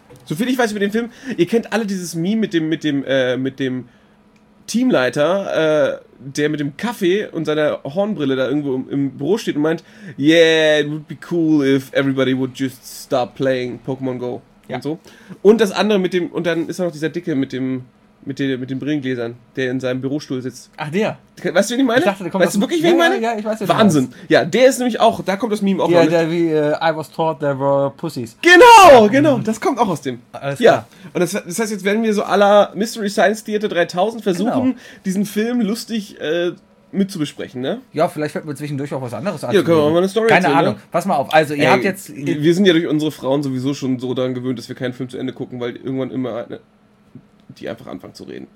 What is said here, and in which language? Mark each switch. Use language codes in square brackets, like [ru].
[de] So viel ich weiß über den Film, ihr kennt alle dieses Meme mit dem Teamleiter, der mit dem Kaffee und seiner Hornbrille da irgendwo im Büro steht und meint, [en] yeah, it would be cool if everybody would just start playing Pokémon Go. [de] Ja. Und so. Und das andere mit dem, und dann ist da noch dieser Dicke mit den Brillengläsern, der in seinem Bürostuhl sitzt. Ach, der? Weißt du, wen ich meine? Ich dachte, der kommt weißt du wirklich, wen ich meine? Ja, ich weiß, Wahnsinn. Du ja, der ist nämlich auch, da kommt das Meme auch ja, noch. Ja, der wie, [en] I was taught there were pussies. [de] Genau, das kommt auch aus dem. Alles ja, klar. Und das heißt, jetzt werden wir so à la Mystery Science Theater 3000 versuchen, genau, diesen Film lustig mitzubesprechen, ne? Ja, vielleicht fällt mir zwischendurch auch was anderes an. Ja, können wir mal eine Story erzählen. Keine Ahnung, ne? Pass mal auf. Also, ihr habt jetzt... Wir sind ja durch unsere Frauen sowieso schon so daran gewöhnt, dass wir keinen Film zu Ende gucken, weil irgendwann immer eine... die einfach anfangen zu reden.